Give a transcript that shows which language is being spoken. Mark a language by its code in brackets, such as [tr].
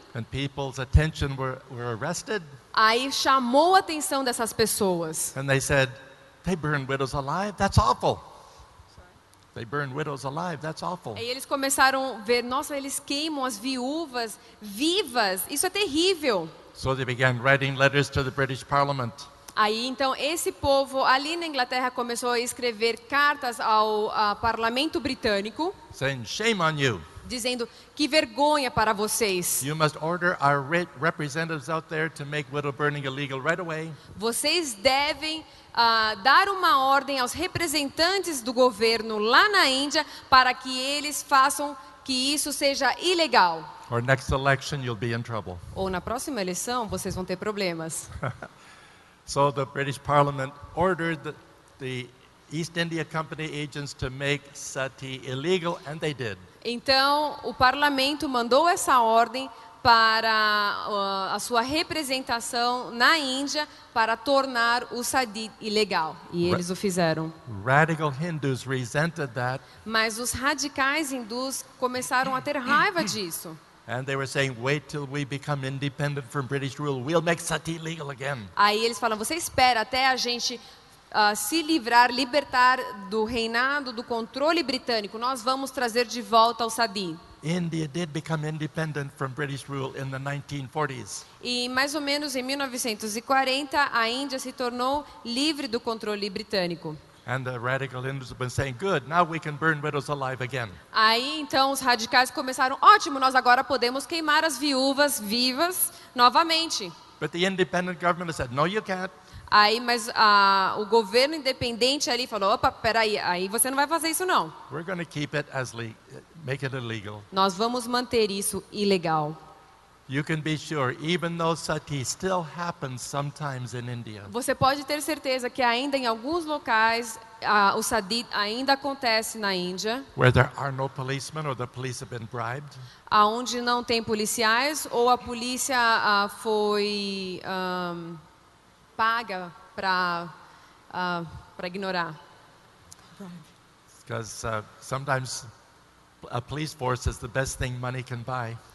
[en] and people's attention were arrested, [pt] aí chamou a atenção dessas pessoas. [en] And they said, they burn widows alive? That's awful. They burn widows alive. That's awful. [pt] E eles começaram a ver, nossa, eles queimam as viúvas vivas. Isso é terrível. [en] So they began writing letters to the British Parliament. [pt] Aí então esse povo ali na Inglaterra começou a escrever cartas ao Parlamento Britânico. [en] Saying shame on you. [pt] Dizendo que vergonha para vocês. [en] You must order our representatives out there to make widow burning illegal right away. [pt] Vocês devem dar uma ordem aos representantes do governo lá na Índia para que eles façam que isso seja ilegal. [en] Or next election, you'll be in trouble. [pt] Ou na próxima eleição vocês vão ter problemas. [en] So the British Parliament ordered the East India Company agents to make sati illegal, and they did. [pt] Então o parlamento mandou essa ordem para a sua representação na Índia para tornar o sati ilegal, e eles o fizeram. [en] Radical Hindus resented that. [pt] Mas os radicais hindus começaram a ter raiva disso. [en] And they were saying, wait till we become independent from British rule, we'll make sati legal again. [pt] Aí eles falam, você espera até a gente se livrar, libertar do reinado, do controle britânico, nós vamos trazer de volta o sati. [en] India did become independent from British rule in the 1940s. [pt] E mais ou menos em 1940, a Índia se tornou livre do controle britânico. [en] And the radical Hindus have been saying, good, now we can burn widows alive again. [pt] Aí então os radicais começaram, ótimo, nós agora podemos queimar as viúvas vivas novamente. [en] But the independent government has said, no, you can't. [pt] Aí, mas o governo independente ali falou, opa, peraí, aí você não vai fazer isso não. [en] We're going to keep it as make it illegal. [pt] Nós vamos manter isso ilegal. [en] You can be sure, even though sati still happens sometimes in India. [pt] Você pode ter certeza que ainda em alguns locais o sati ainda acontece na Índia. [en] Where there are no policemen or the police have been bribed. [pt] Aonde não tem policiais ou a polícia foi paga para ignorar. [en] Because sometimes a police force is the best thing money can buy.